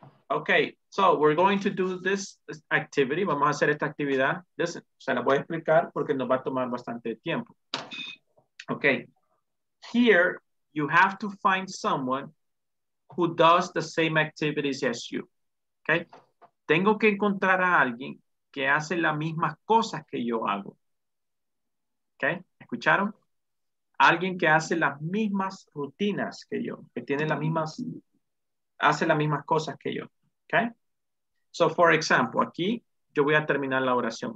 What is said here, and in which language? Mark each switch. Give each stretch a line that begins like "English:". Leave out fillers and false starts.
English: Okay, so we're going to do this activity.
Spanish: Vamos a hacer esta actividad.
English: Listen,
Spanish: se la voy a explicar porque nos va a tomar bastante tiempo.
English: Okay, here you have to find someone who does the same activities as you.
Spanish: Okay, tengo que encontrar a alguien que hace las mismas cosas que yo hago. Okay, ¿escucharon? Alguien que hace las mismas rutinas que yo, que tiene las mismas, hace las mismas cosas que yo. Okay,
English: so for example,
Spanish: aquí yo voy a terminar la oración.